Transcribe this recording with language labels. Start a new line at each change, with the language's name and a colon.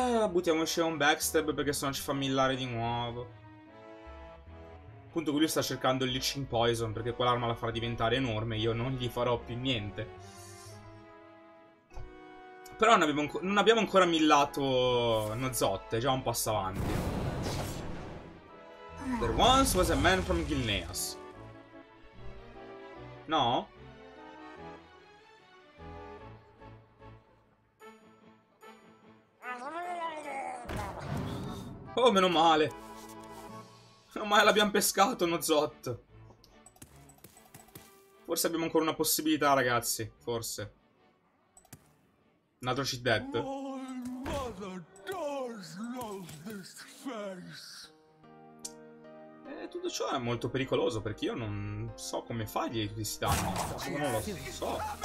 Italian: Buttiamo uscire un backstab perché sennò ci fa millare di nuovo. Appunto, lui sta cercando il Leeching Poison perché quell'arma la farà diventare enorme. Io non gli farò più niente. Però non abbiamo ancora millato Nozotte. È già un passo avanti.
English: There once was a man from Gilneas.
Italian: No? Oh, meno male. Meno male l'abbiamo pescato, Nozot. Forse abbiamo ancora una possibilità, ragazzi. Forse. Un altro cheat death.
English: My mother does love this face.
Italian: E tutto ciò è molto pericoloso, perché io non so come fargli tutti questi danni. Non lo so.